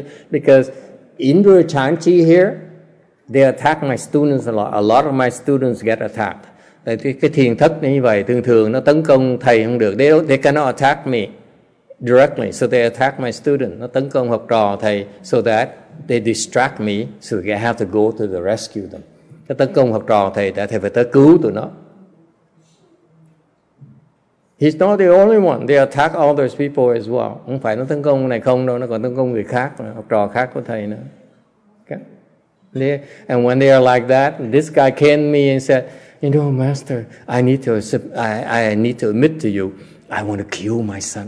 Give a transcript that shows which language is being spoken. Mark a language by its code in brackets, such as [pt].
[en] Because Indra Chanchi here, they attack my students a lot. A lot of my students get attacked. [vi] Cái thiền thất như vậy, thường thường nó tấn công thầy không được. [en] They cannot attack me. directly. So they attack my student. [vi] Nó tấn công học trò thầy. [en] So that they distract me. So I have to go to the rescue them. [vi] Nó tấn công học trò thầy. Để thầy phải tới cứu tụi nó. [en] He's not the only one. They attack all those people as well. [vi] Không phải nó tấn công này không đâu. Nó còn tấn công người khác. Học trò khác của thầy nữa. [en] Okay. And when they are like that, this guy came to me and said, you know, master, I need to admit to you, I want to kill my son.